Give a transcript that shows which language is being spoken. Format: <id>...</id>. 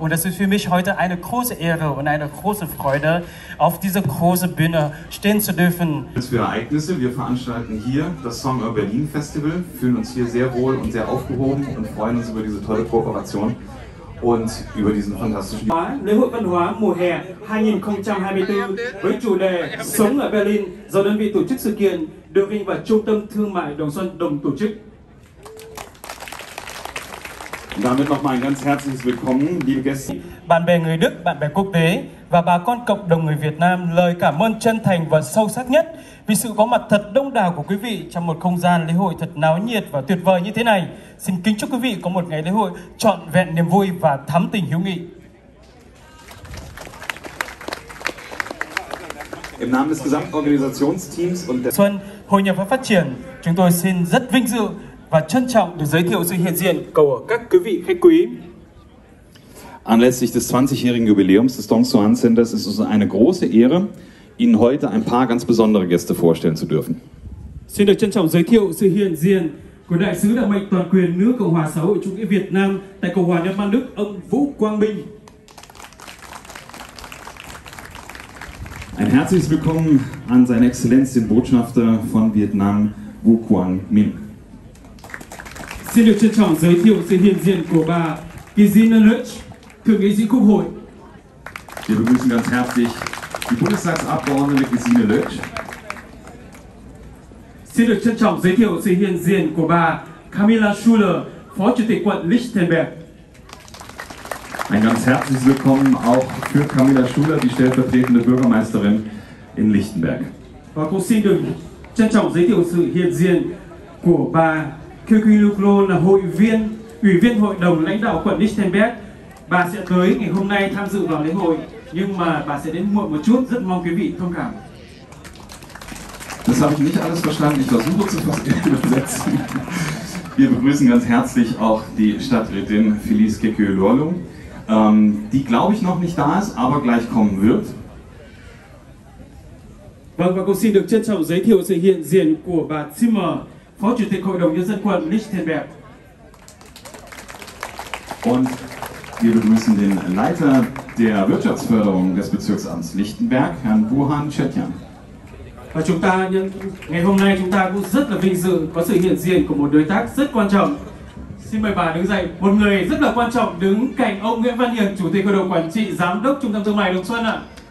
<de>Und das ist für mich heute eine große Ehre und eine große Freude, auf dieser großen Bühne stehen zu dürfen. Für Ereignisse, wir veranstalten hier das Song Ur Berlin Festival, fühlen uns hier sehr wohl und sehr aufgehoben und freuen uns über diese tolle Kooperation und über diesen fantastischen...</de> <vi>Lễ hội văn hóa mùa hè 2024 với chủ đề Sống ở Berlin do đơn vị tổ chức sự kiện Đường Vinh và Trung tâm Thương mại Đồng Xuân đồng tổ chức.</vi> <de>Damit nochmal ein ganz herzliches Willkommen, liebe Gäste.</de> <vi>Bạn bè người Đức, bạn bè quốc tế và bà con cộng đồng người Việt Nam, lời cảm ơn chân thành và sâu sắc nhất vì sự có mặt thật đông đảo của quý vị trong một không gian lễ hội thật náo nhiệt và tuyệt vời như thế này. Xin kính chúc quý vị có một ngày lễ hội trọn vẹn niềm vui và thắm tình hữu nghị.</vi> <de>Im Namen des gesamten Organisationsteams und der</de> <vi>Xuân, Hội nhập và phát triển, chúng tôi xin rất vinh dự và trân trọng được giới thiệu sự hiện diện của các quý vị khách quý.</vi> <de>Anlässlich des 20-jährigen Jubiläums des Dongson Centers ist es eine große Ehre, Ihnen heute ein paar ganz besondere Gäste vorstellen zu dürfen.</de> <vi>Xin được trân trọng giới thiệu sự hiện diện của Đại sứ đặc mệnh toàn quyền nước Cộng hòa xã hội chủ nghĩa Việt Nam tại Cộng hòa Liên bang Đức, ông Vũ Quang Minh.</vi> <de>Ein herzliches Willkommen an seine Exzellenz, den Botschafter von Vietnam, Vũ Quang Minh.</de> <vi>Xin được trân trọng giới thiệu sự hiện diện của bà Kizina Lutsch, thượng nghị sĩ Quốc hội.</vi> <de>Wir begrüßen ganz herzlich die Bundestagsabgeordnete Kizina Lutsch.</de> <vi>Xin được trân trọng giới thiệu sự hiện diện của bà Camilla Schuller, phó chủ tịch quận Lichtenberg.</vi> <de>Ein ganz herzliches Willkommen auch für Camilla Schuller, die stellvertretende Bürgermeisterin in Lichtenberg.</de> <vi>Và cũng xin được trân trọng giới thiệu sự hiện diện của bà Kukuluklo, là hội viên, ủy viên hội đồng lãnh đạo quận Lichtenberg. Bà sẽ tới ngày hôm nay tham dự vào lễ hội, nhưng mà bà sẽ đến muộn một chút, rất mong quý vị thông cảm.</vi> <de>Das habe ich nicht alles verstanden, ich versuche zu übersetzen. Wir begrüßen ganz herzlich auch die Stadträtin Felice Kekyeluolu, die glaube ich noch nicht da ist, aber gleich kommen wird.</de> <vi>Vâng, và cũng xin được trân trọng giới thiệu sự hiện diện của bà Zimmer, phó chủ tịch hội đồng nhân dân quận Lichtenberg.</vi> <de>Und wir begrüßen den Leiter der Wirtschaftsförderung des Bezirksamts Lichtenberg, Herrn Burhan Çetin.</de> <vi>Và chúng ta ngày hôm nay chúng ta cũng rất là vinh dự có sự hiện diện của một đối tác rất quan trọng. Xin mời bà đứng dậy, một người rất là quan trọng đứng cạnh ông Nguyễn Văn Hiền, chủ tịch hội đồng quản trị giám đốc trung tâm thương mại Đồng Xuân ạ.</vi>